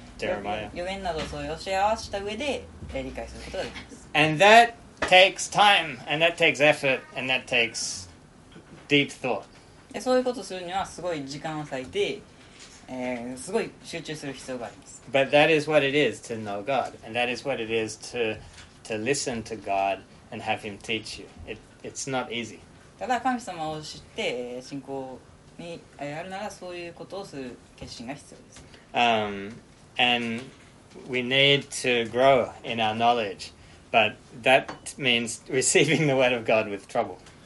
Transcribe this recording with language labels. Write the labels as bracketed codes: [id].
[en] And that takes time, and that takes effort, and that takes deep thought. [ja] そういうことするにはすごい時間を割いて、すごい集中する必要があります。 [en] But that is what it is to know God, and that is what it is to listen to God and have Him teach you. It's not easy. [ja] ただ神様を知って信仰にあるなら、そういうことをする決心が必要です。 [en] And we need to grow in our knowledge, but that means receiving the word of God with trouble.